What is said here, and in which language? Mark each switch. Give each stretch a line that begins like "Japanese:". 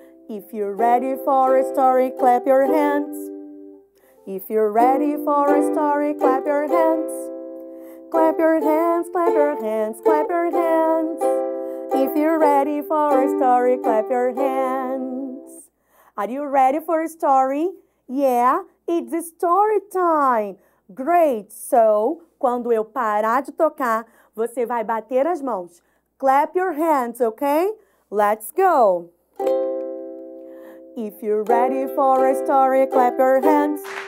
English: If you're ready for a story, clap your hands. If you're ready for a story, clap your hands. Clap your hands, clap your hands, clap your hands. If you're ready for a story, clap your hands. Are you ready for a story? Yeah, it's story time. Great, so
Portuguese: Quando eu parar de tocar, você vai bater as mãos.
English: Clap your hands, okay? Let's go! If you're ready for a story, clap your hands.